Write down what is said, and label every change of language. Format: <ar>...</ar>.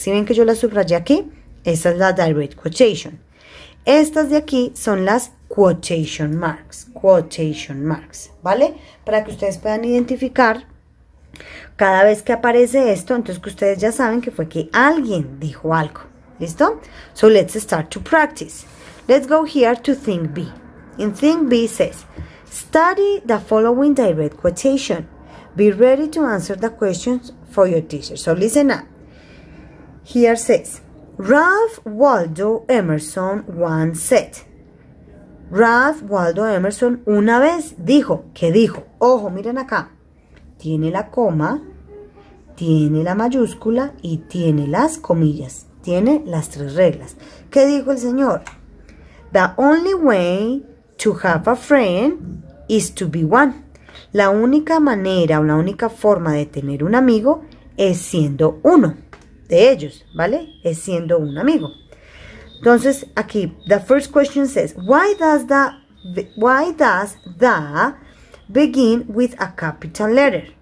<es>Si ven que yo las subrayé aquí, esa es la direct quotation. Estas de aquí son las quotation marks. Quotation marks. ¿Vale? Para que ustedes puedan identificar cada vez que aparece esto, entonces que ustedes ya saben que fue que alguien dijo algo. ¿Listo?</es> <en>So let's start to practice. Let's go here to Think B. In Think B says, study the following direct quotation. Be ready to answer the questions for your teacher. So listen up. Here says, Ralph Waldo Emerson once said.</en> <es>Ralph Waldo Emerson una vez dijo. ¿Qué dijo? Ojo, miren acá. Tiene la coma, tiene la mayúscula y tiene las comillas. Tiene las tres reglas. ¿Qué dijo el señor?</es> <en>The only way to have a friend is to be one.</en> <es>La única manera o la única forma de tener un amigo es siendo uno de ellos, ¿vale? Es siendo un amigo. Entonces, aquí,</es> <en>the first question says, why does the begin with a capital letter?</en>